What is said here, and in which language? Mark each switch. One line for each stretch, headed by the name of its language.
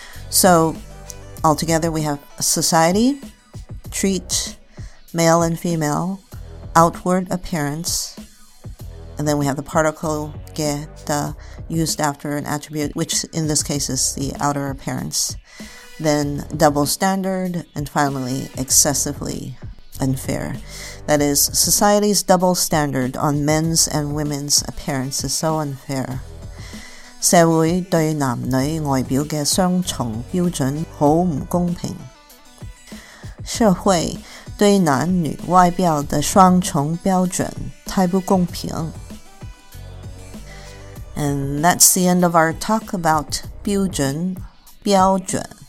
English: So altogether we have society, treat, male and female, outward appearance, and then we have the particle 给的 used after an attribute, which in this case is the outer appearance, then double standard, and finally excessively unfair. That is, society's double standard on men's and women's appearance is so unfair.
Chinese: 社会对男女外表的双重标准好不公平。社会对男女外表的双重标准太不公平。
English: And that's the end of our talk about 标准, 标准.